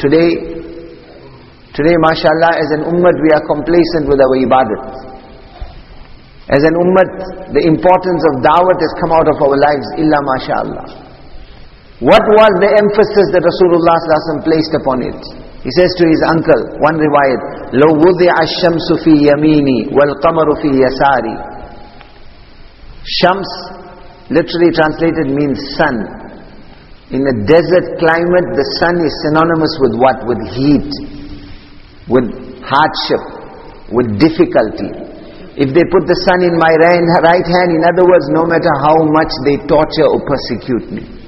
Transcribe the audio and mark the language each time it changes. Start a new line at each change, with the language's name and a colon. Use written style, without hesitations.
English: Today, mashallah, as an ummah, we are complacent with our ibadat. As an ummah, the importance of dawat has come out of our lives, illa mashallah. What was the emphasis that Rasulullah sallallahu alaihi wasallam placed upon it? He says to his uncle, one riwayat,
Arabic: لَوْ وُضِعَ الشَّمْسُ فِي يَمِينِي وَالْقَمَرُ فِي يَسَارِي.
English: Shams, literally translated, means sun. In a desert climate, the sun is synonymous with what? With heat, with hardship, with difficulty. If they put the sun in my right hand, in other words, no matter how much they torture or persecute me.